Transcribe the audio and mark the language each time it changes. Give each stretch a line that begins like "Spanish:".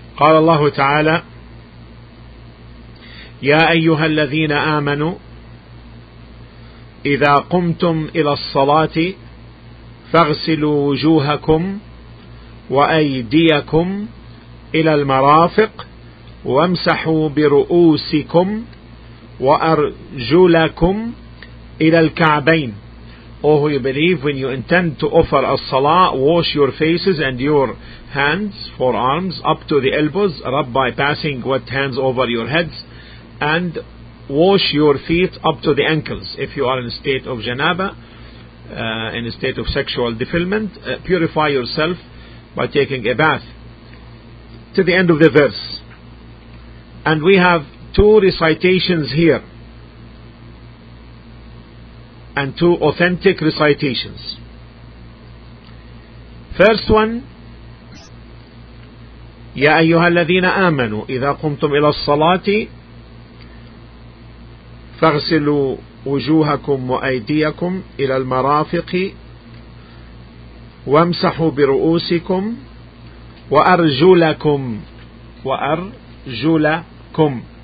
Arabic: قال الله تعالى يا أيها الذين آمنوا إذا قمتم إلى الصلاة فاغسلوا وجوهكم وأيديكم إلى المرافق وامسحوا برؤوسكم وأرجلكم إلى الكعبين.
English: O who you believe, when you intend to offer a salah, wash your faces and your hands, forearms, up to the elbows, rub by passing wet hands over your heads, and wash your feet up to the ankles. If you are in a state of janaba, in a state of sexual defilement, purify yourself by taking a bath. To the end of the verse. And we have two recitations here, and two authentic recitations. First one,
Arabic: يا أيها الذين آمنوا إذا قمتم إلى الصلاة فاغسلوا وجوهكم وأيديكم إلى المرافق وامسحوا برؤوسكم وأرجلكم وأرجلكم.